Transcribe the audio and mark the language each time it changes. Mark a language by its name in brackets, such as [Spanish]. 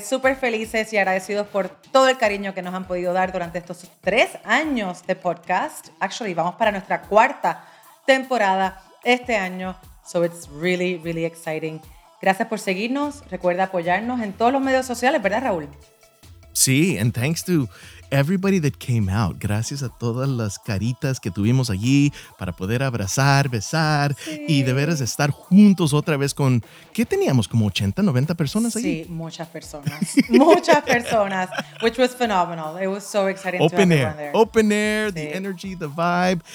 [Spanish] Súper felices y agradecidos por todo el cariño que nos han podido dar durante estos 3 años de podcast. [English] Actually, [Spanish] vamos para nuestra cuarta temporada este año. [English] So it's really, really exciting. [Spanish] Gracias por seguirnos. Recuerda apoyarnos en todos los medios sociales, ¿verdad, Raúl? [English] Sí, and thanks to everybody that came out. [Spanish] Gracias a todas las caritas que tuvimos allí para poder abrazar, besar sí. y de veras estar juntos otra vez con, ¿qué teníamos? ¿Como 80, 90 personas sí, allí? Sí, muchas personas. Muchas personas. [English] Which was phenomenal. It was so exciting open to air. Have there. Open air, sí. the energy, the vibe.